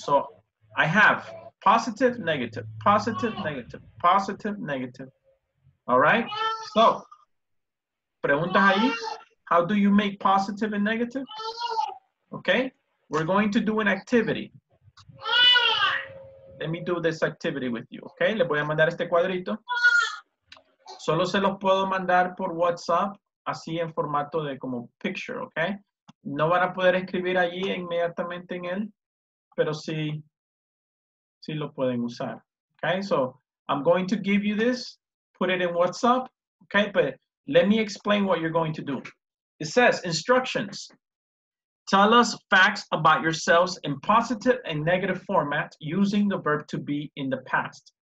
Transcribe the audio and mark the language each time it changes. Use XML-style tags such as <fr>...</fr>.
<en>So I have positive, negative, positive, negative, positive, negative. All right? So,</en> <es>preguntas ahí.</es> <en>How do you make positive and negative? Okay? We're going to do an activity. Let me do this activity with you, okay?</en> <es>Le voy a mandar este cuadrito. Solo se los puedo mandar por WhatsApp, así en formato de como picture, okay? No van a poder escribir allí inmediatamente en él, pero sí, sí lo pueden usar, okay?</es> <en>So, I'm going to give you this, put it in WhatsApp, okay? But let me explain what you're going to do. It says, instructions. Tell us facts about yourselves in positive and negative format using the verb to be in the past.</en>